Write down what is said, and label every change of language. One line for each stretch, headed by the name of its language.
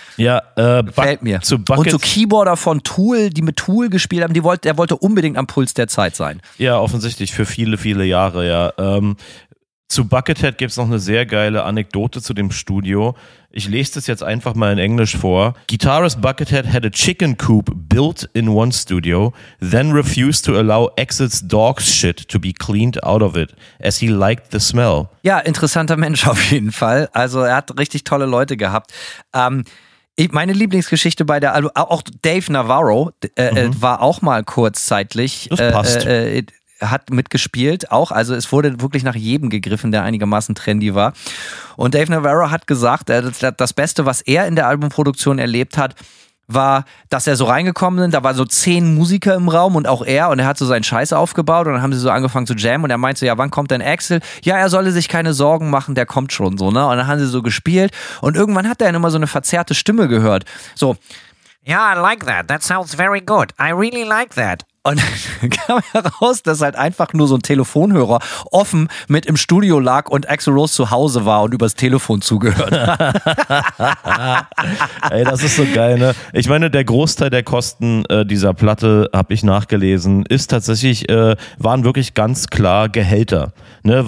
German: Ja, fällt mir. Und zu Keyboarder von Tool, die mit Tool gespielt haben, der wollte unbedingt am Puls der Zeit sein. Ja, offensichtlich für viele, viele Jahre, ja. Zu Buckethead gibt's noch eine sehr geile Anekdote zu dem Studio. Ich lese das jetzt einfach mal in Englisch vor.
English: Guitarist Buckethead had a chicken coop built in one studio, then refused to allow Axl's dog shit to be cleaned out of it, as he liked the smell.
German: Ja, interessanter Mensch auf jeden Fall. Also er hat richtig tolle Leute gehabt. Meine Lieblingsgeschichte bei der, also auch Dave Navarro war auch mal kurzzeitig. Das passt. Hat mitgespielt auch, also es wurde wirklich nach jedem gegriffen, der einigermaßen trendy war. Und Dave Navarro hat gesagt, das Beste, was er in der Albumproduktion erlebt hat, war, dass er so reingekommen ist, da waren so 10 Musiker im Raum und auch er, und er hat so seinen Scheiß aufgebaut und dann haben sie so angefangen zu jammen und er meinte so, ja, wann kommt denn Axl? Ja, er solle sich keine Sorgen machen, der kommt schon so, ne? Und dann haben sie so gespielt und irgendwann hat er dann immer so eine verzerrte Stimme gehört. So,
English: ja, yeah, I like that, that sounds very good, I really like that.
German: Und dann kam heraus, dass halt einfach nur so ein Telefonhörer offen mit im Studio lag und Axl Rose zu Hause war und übers Telefon zugehört. Ey, das ist so geil, ne? Ich meine, der Großteil der Kosten dieser Platte, habe ich nachgelesen, ist tatsächlich, waren wirklich ganz klar Gehälter. Ne?